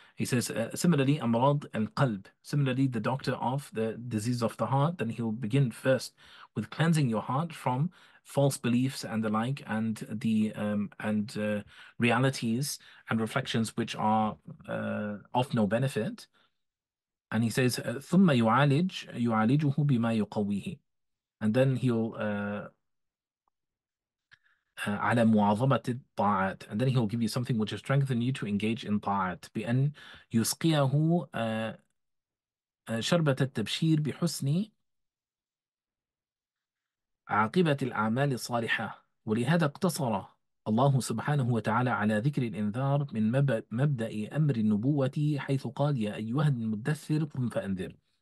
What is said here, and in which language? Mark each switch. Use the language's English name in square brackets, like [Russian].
[English] He says, similarly, amrad al-qalb. Similarly, the doctor of the disease of the heart, then he'll begin first with cleansing your heart from false beliefs and the like, and the realities and reflections which are of no benefit. And he says, [Arabic] ثم يعالجه بما يقويه. [English] And then he'll... [Arabic] على معظمة الطاعات. [English] And then he'll give you something which will strengthen you to engage in طاعات. [Arabic] بأن يسقيه شربة التبشير بحسن عاقبة الأعمال الصالحة. ولهذا اقتصر الله سبحانه وتعالى على ذكر الإنذار من مبدأ أمر النبوة حيث قال يا أيها المدثر قم فأنذر.